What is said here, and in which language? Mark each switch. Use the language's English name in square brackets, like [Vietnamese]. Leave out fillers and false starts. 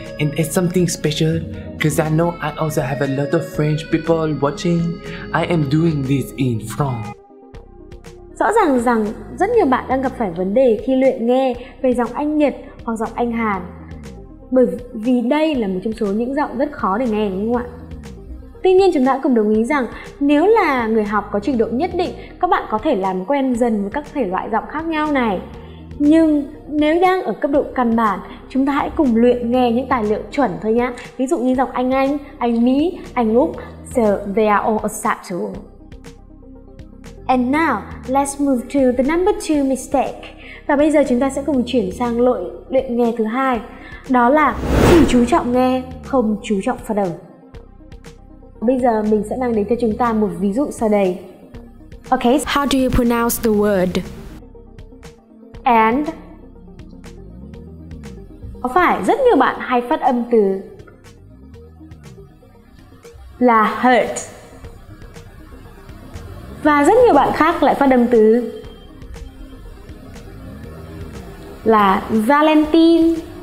[English] And it's something special, because I know I also have a lot of French people watching. I am doing this in France. [Vietnamese] Rõ ràng rằng rất nhiều bạn đang gặp phải vấn đề khi luyện nghe về giọng Anh Nhật hoặc giọng Anh Hàn. Bởi vì đây là một trong số những giọng rất khó để nghe, đúng không ạ? Tuy nhiên, chúng ta cũng đồng ý rằng nếu là người học có trình độ nhất định, các bạn có thể làm quen dần với các thể loại giọng khác nhau này. Nhưng nếu đang ở cấp độ căn bản, chúng ta hãy cùng luyện nghe những tài liệu chuẩn thôi nhé. Ví dụ như giọng Anh, Anh Mỹ, Anh Úc. [English] So they are all acceptable. And now, let's move to the number 2 mistake. [Vietnamese] Và bây giờ chúng ta sẽ cùng chuyển sang lỗi luyện nghe thứ hai. Đó là chỉ chú trọng nghe, không chú trọng phát âm. Bây giờ mình sẽ mang đến cho chúng ta một ví dụ sau đây. [English] Okay, how do you pronounce the word? [Vietnamese] And có phải rất nhiều bạn hay phát âm từ là hurt, và rất nhiều bạn khác lại phát âm từ là Valentine.